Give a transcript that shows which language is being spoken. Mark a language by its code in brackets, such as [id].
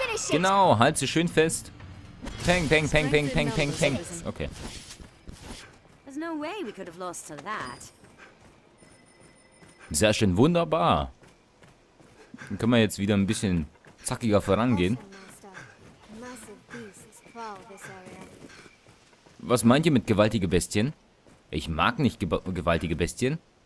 [de] Genau, halt sie schön fest. Peng, peng, peng, peng, peng, peng, peng. Okay. [en] No way we could have lost to that. [de] Sehr schön, wunderbar. Dann können wir jetzt wieder ein bisschen zackiger vorangehen. Was meint ihr mit gewaltige Bestien? Ich mag nicht gewaltige Bestien.